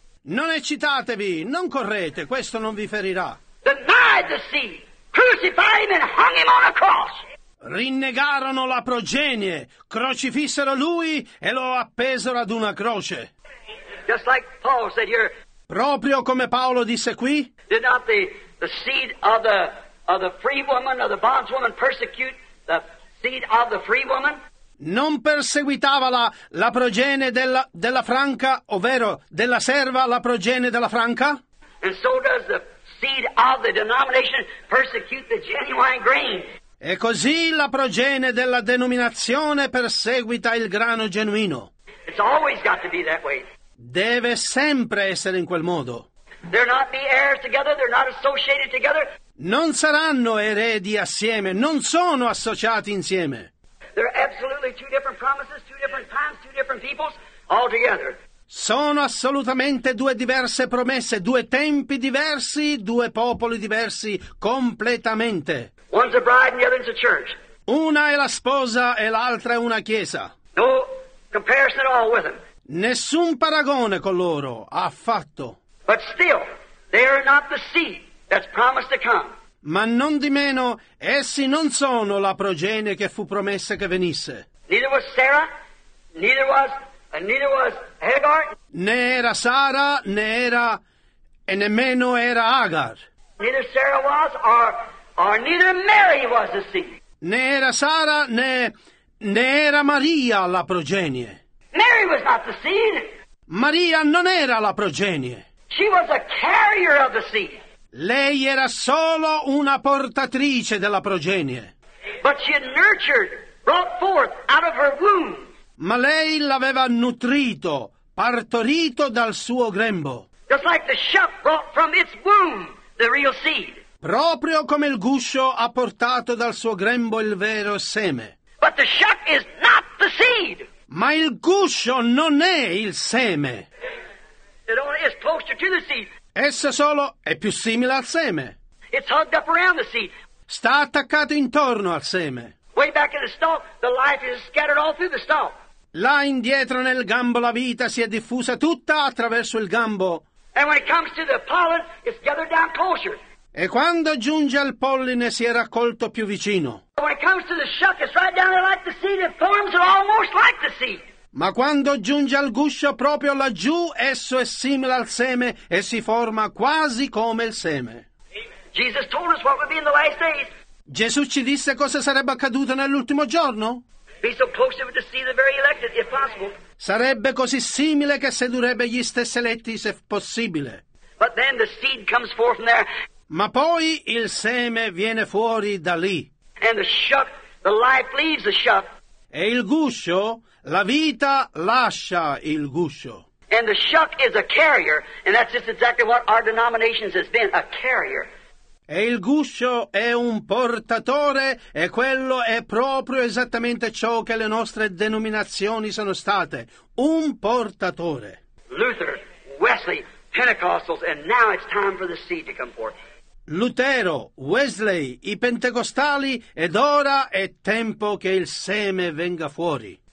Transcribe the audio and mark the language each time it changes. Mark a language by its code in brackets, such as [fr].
[it] Non eccitatevi, non correte, questo non vi ferirà. [en] Denied the seed, crucified him and hung him on a cross. [it] Rinnegarono la progenie, crocifissero lui e lo appesero ad una croce. [en] Just like Paul said here, [it] proprio come Paolo disse qui, [en] did not the seed of the free woman, of the bondswoman persecute the seed of the free woman? [it] Non perseguitava la progenie della franca, ovvero della serva, la progenie della franca? [en] And so does the seed of the denomination persecute the genuine grain. [it] E così la progenie della denominazione perseguita il grano genuino. [en] It's always got to be that way. [it] Deve sempre essere in quel modo. [en] They're not be heirs together, they're not associated together. [it] Non saranno eredi assieme, non sono associati insieme. [en] They're absolutely two different promises, two different times, two different peoples, all together. [it] Sono assolutamente due diverse promesse, due tempi diversi, due popoli diversi, completamente. [en] One's a bride and the other's a church. [it] Una è la sposa e l'altra è una chiesa. [en] No comparison at all with them. [it] Nessun paragone con loro, affatto. [en] But still, they are not the seed that's promised to come. [it] Ma non di meno, essi non sono la progenie che fu promessa che venisse. [en] Neither was Sarah, neither was Hagar. [it] Né era Sara, né era, e nemmeno era Hagar. [en] Neither Sarah was, or neither Mary was the seed. [it] Né era Sara, né era Maria la progenie. [en] Mary was not the seed. [it] Maria non era la progenie. [en] She was a carrier of the seed. [it] Lei era solo una portatrice della progenie. [en] But she had nurtured, brought forth out of her womb. [it] Ma lei l'aveva nutrito, partorito dal suo grembo. [en] Just like the sheep brought from its womb the real seed. [it] Proprio come il guscio ha portato dal suo grembo il vero seme. [en] But the sheep is not the seed. [it] Ma il guscio non è il seme. [en] It only is closer to the seed. [it] Esso solo è più simile al seme. [en] It's hugged up around the seed. [it] Sta attaccato intorno al seme. [en] Way back in the stalk, the life is scattered all through the stalk. [it] Là indietro nel gambo la vita si è diffusa tutta attraverso il gambo. [en] And when it comes to the pollen, it's gathered down closer. [it] E quando giunge al polline si è raccolto più vicino. [en] When it comes to the shuck, it's right down there like the seed. It forms it almost like the seed. [it] Ma quando giunge al guscio proprio laggiù, esso è simile al seme e si forma quasi come il seme. [en] Jesus told us what would be in the last days. [it] Gesù ci disse cosa sarebbe accaduto nell'ultimo giorno. [en] Be so close to the seed, the very elected, if possible. [it] Sarebbe così simile che sedurrebbe gli stessi eletti, se possibile. [en] But then the seed comes forth from there. [it] Ma poi il seme viene fuori da lì. [en] And the shuck, the life leaves the shuck. [it] E il guscio, la vita lascia il guscio. [en] And the shuck is a carrier, and that's just exactly what our denominations has been, a carrier. [it] E il guscio è un portatore, e quello è proprio esattamente ciò che le nostre denominazioni sono state, un portatore. [en] Luther, Wesley, Pentecostals, and now it's time for the seed to come forth. [it] Lutero, Wesley, i pentecostali, ed ora è tempo che il seme venga fuori.